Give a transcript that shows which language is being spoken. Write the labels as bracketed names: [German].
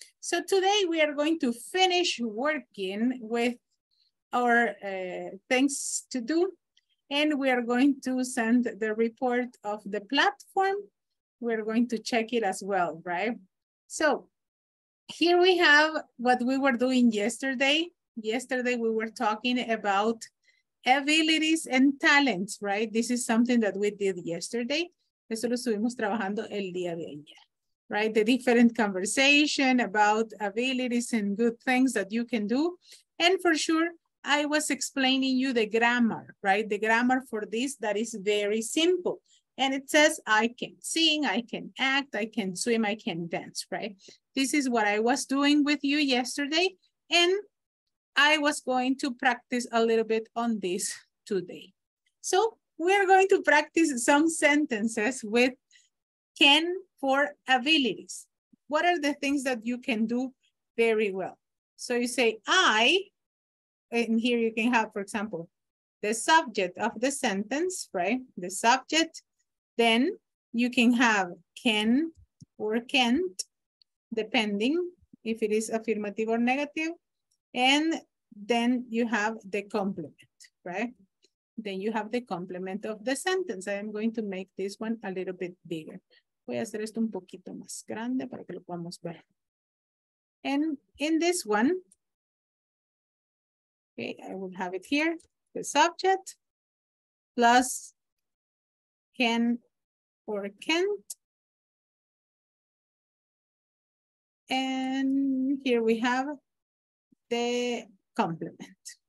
[English] So today we are going to finish working with our things to do, and we are going to send the report of the platform. We're going to check it as well, right? So here we have what we were doing yesterday. Yesterday we were talking about abilities and talents, right? This is something that we did yesterday. [Spanish] Eso lo estuvimos trabajando el día de ayer. [English] Right, the different conversation about abilities and good things that you can do. And for sure, I was explaining you the grammar, right? The grammar for this, that is very simple. And it says, I can sing, I can act, I can swim, I can dance, right? This is what I was doing with you yesterday. And I was going to practice a little bit on this today. So we're going to practice some sentences with Ken for abilities. What are the things that you can do very well? So you say, I, and here you can have, for example, the subject of the sentence, right? The subject, then you can have can or can't, depending if it is affirmative or negative. And then you have the complement, right? Then you have the complement of the sentence. I am going to make this one a little bit bigger. [Spanish] Voy a hacer esto un poquito más grande para que lo podamos ver. [English] And in this one, okay, I will have it here, the subject plus can or can't. And here we have the complement.